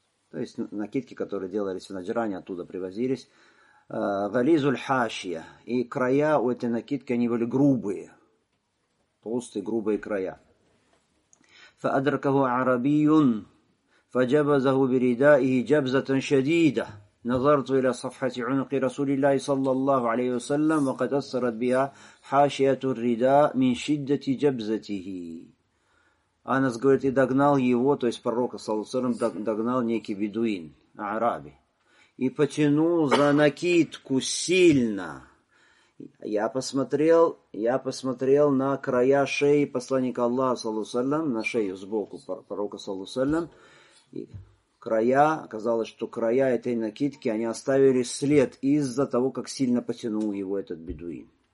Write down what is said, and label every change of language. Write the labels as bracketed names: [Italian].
[Russian] То есть накидки, которые делались в наджране, оттуда привозились. [Arabic] Гализуль хашия. [Russian] И края у этой накидки, они были грубые. Толстые, грубые края. [Arabic] Фа адракаху арабиюн, фа джабазаху бирида и джабзатан шадида. نظرت إلى صفحة عنق رسول الله صلى الله عليه وسلم وقد أثرت بها حاشية الرداء من شدة جبزته. [Russian] Анас говорит, и догнал его, то есть пророка, саллаллаху алейхи ва саллям, догнал некий бедуин, араби, и потянул за накидку сильно. Я посмотрел на края шеи посланника Аллаха, саллаллаху алейхи ва саллям, на шею сбоку пророка, саллаллаху алейхи ва саллям, и края, оказалось, что края этой накидки, они оставили след из-за того, как сильно потянул его этот бедуин.